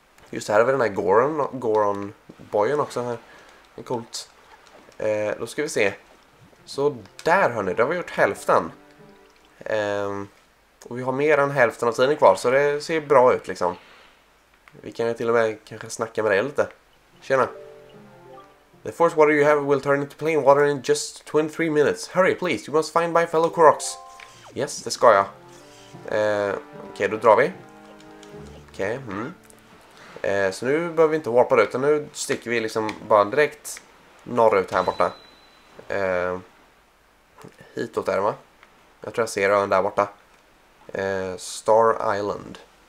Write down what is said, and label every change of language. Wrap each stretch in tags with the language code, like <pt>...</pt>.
<sv>Just här har vi den här Goron bojen också här. Det är coolt. Då ska vi se. Så där hörni, då har vi gjort hälften. Och vi har mer än hälften av tiden kvar, så det ser bra ut liksom. Vi kan ju till och med kanske snacka med dig lite. Tjena.</sv> <en>The force water you have will turn into plain water in just 23 minutes. Hurry please, you must find my fellow Koroks.</en> <sv>Yes, det ska jag. Okej, då drar vi. Okej, så nu behöver vi inte warpa det, utan nu sticker vi liksom bara direkt norrut här borta. Hitåt där va? Jag tror jag ser ön där borta. Star Island.</sv>